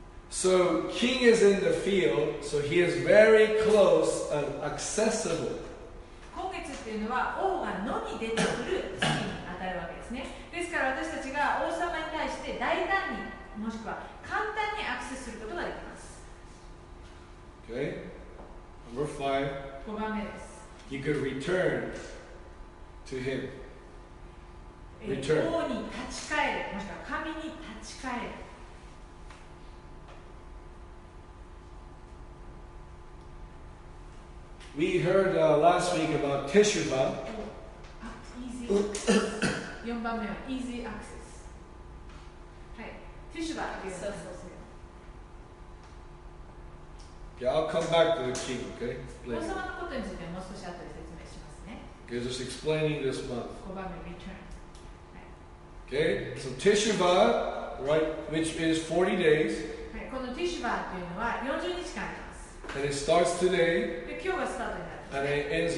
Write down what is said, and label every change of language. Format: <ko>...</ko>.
<en>So, king is in the field, so he is very close and accessible.</en> <ja>今月っていうのは王が野に出てくる月に当たるわけですね。ですから私たちが王様に対して大胆に、もしくは簡単にアクセスすることができます。</ja> <en>Okay. Number five.</en> <ja>5番目です。</ja> <en>You could return to him. Return.</en> <ja>王に立ち返る、もしくは神に立ち返る。</ja> <en>We heard last week about Teshuvah. Easy access.</en> <ja>4番目は</ja> <en>Easy access. Okay, I'll come back to the king, okay? Later.</en> <ja>王様のことについてもう少し後で説明しますね。</ja> <en>Okay, just explaining this month.</en> <ja>5番目 Return.</ja> <en>Okay, so Teshuvah, right, which is 40 days.</en> <ja>この Teshuvah というのは40日間です。</ja> <en>And it starts today.</en> <ja>で今日がスタートになります。</ja>